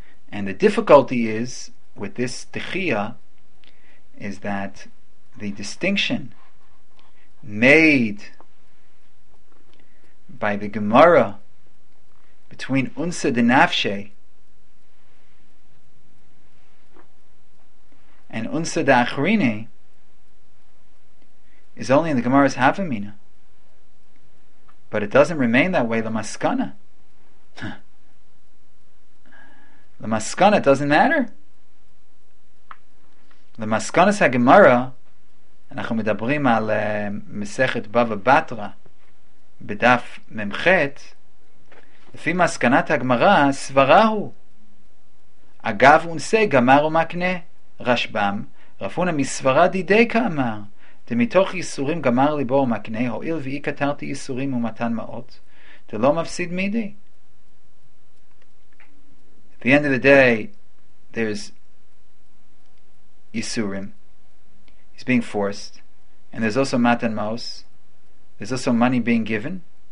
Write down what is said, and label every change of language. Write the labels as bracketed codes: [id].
[en] And the difficulty is, with this Tichia, is that the distinction made by the Gemara between Unsa D'Nafshe and Unsa D'Achrine is only in the Gemara's Havamina. But it doesn't remain that way, the Maskana. The Maskana doesn't matter. The Maskana's HaGemara, and [he] אנחנו מדברים על מסכת בבא בתרא בדף ממחת, לפי מסקנת הגמרא, סברה הוא. אגב ונסה גמר ומקנה, רשבם, רפונה מסברה דידי כאמר, דמתוך ייסורים גמר ליבו ומקנה, הועיל ואי קטרתי ייסורים ומתן מאות, דלא מפסיד מידי. [en] At the end of the day, there's Yisurim. He's being forced. And there's also Matan Maos. There's also money being given.